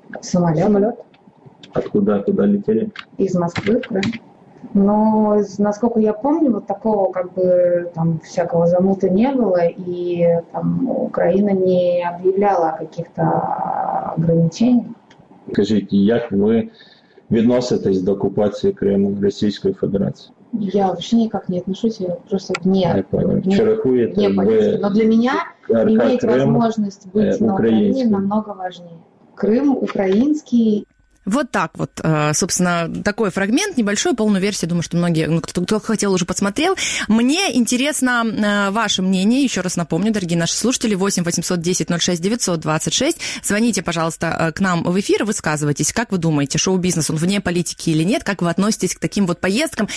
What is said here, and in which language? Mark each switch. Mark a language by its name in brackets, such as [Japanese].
[Russian] Самолет. Самолет. Откуда? Куда летели? Из Москвы, да. Но, насколько я помню, вот такого как бы там всякого замута не было. И там Украина не объявляла о каких-то ограничениях. [Ukrainian] Скажіть, як ви відноситесь до окупації Криму Російської Федерації? Я взагалі ніяк не відношуся, я просто ні. Чи рахуєте? Ні, але для мене мати можливість бути на Україні намного важливіше. Крим український. [Russian] Вот так вот, собственно, такой фрагмент, небольшой, полную версию, думаю, что многие, ну, кто хотел, уже посмотрел. Мне интересно ваше мнение, еще раз напомню, дорогие наши слушатели, 8 800 10 06 926, звоните, пожалуйста, к нам в эфир, высказывайтесь, как вы думаете, шоу-бизнес, он вне политики или нет, как вы относитесь к таким вот поездкам.